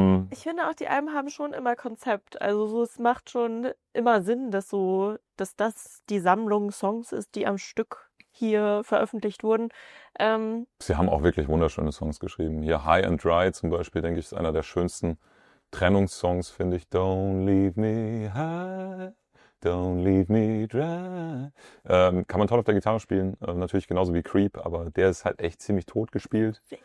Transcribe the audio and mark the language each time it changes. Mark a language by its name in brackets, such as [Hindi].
[German] Ich finde auch, die Alben haben schon immer Konzept. Also so, es macht schon immer Sinn, dass das die Sammlung Songs ist, die am Stück hier veröffentlicht wurden. Sie haben auch wirklich wunderschöne Songs geschrieben. Hier High and Dry zum Beispiel, denke ich, ist einer der schönsten Trennungssongs, finde ich. [English] Don't leave me high, don't leave me dry. [German] Kann man toll auf der Gitarre spielen. Natürlich genauso wie Creep, aber der ist halt echt ziemlich tot gespielt.